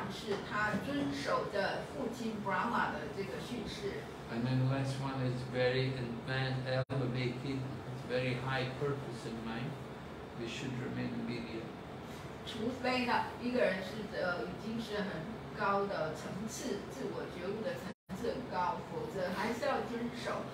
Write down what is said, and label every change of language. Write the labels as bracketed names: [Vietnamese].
[Chinese] 如果我们遵循呢这个社会的规范的话呢，这就像是他遵守着父亲 Brahma 的这个训示。 [English] And unless one is very elevated, very high purpose in mind, we should remain obedient. [Chinese] 除非呢，一个人是已经是很高的层次，自我觉悟的层次很高，否则还是要遵守。